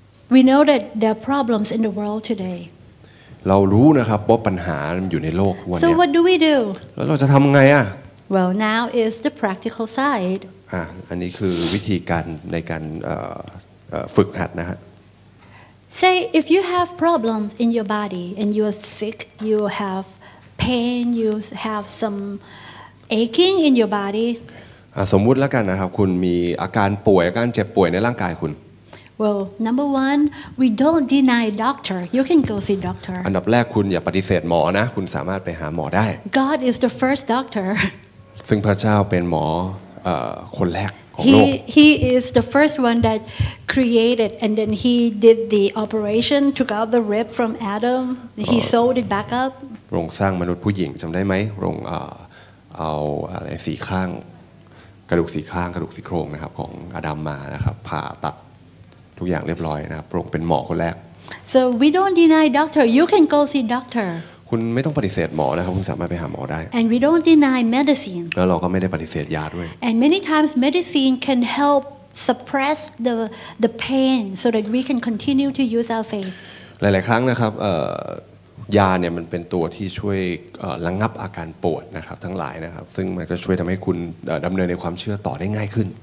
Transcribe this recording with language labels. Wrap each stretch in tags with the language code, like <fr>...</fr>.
<en>We know that there are problems in the world today.</en> <th>เรารู้นะครับว่าปัญหามันอยู่ในโลกวันนี้</th> <en>So what do we do?</en> <th>แล้วเราจะทำไงอ่ะ</th> <en>Well now is the practical side.</en> <th>อันนี้คือวิธีการในการฝึกหัดนะฮะ</th> <en>Say if you have problems in your body and you are sick you have pain you have some aching in your body</en> <th>สมมุติแล้วกันนะครับคุณมีอาการป่วยอาการเจ็บป่วยในร่างกายคุณ</th> <en>Well number one we don't deny doctor you can go see doctor</en> <th>อันดับแรกคุณอย่าปฏิเสธหมอนะคุณสามารถไปหาหมอได้</th> <en>God is the first doctor</en> <th>ซึ่งพระเจ้าเป็นหมอคนแรก</th> <en>He is the first one that created and then he did the operation took out the rib from Adam he sewed it back up</en> <th>โรงสร้างมนุษย์ผู้หญิงจำได้ไหมโรงเอาอะไรสี่ข้างกระดูกสี่ข้างกระดูกสี่โครงนะครับของอาดัมมานะครับผ่าตัดทุกอย่างเรียบร้อยนะครับโรงเป็นหมอคนแรก</th> <en>So we don't deny doctor you can go see doctor</en> <th>คุณไม่ต้องปฏิเสธหมอนะครับคุณสามารถไปหาหมอได้</th> <en>And we don't deny medicine</en> <th>แล้วเราก็ไม่ได้ปฏิเสธยาด้วย</th> <en>And many times medicine can help suppress the pain so that we can continue to use our faith</en> <th>หลายๆครั้งนะครับยาเนี่ยมันเป็นตัวที่ช่วยระงับอาการปวดนะครับทั้งหลายนะครับซึ่งมันก็ช่วยทำให้คุณดำเนินในความเชื่อต่อได้ง่ายขึ้น</th>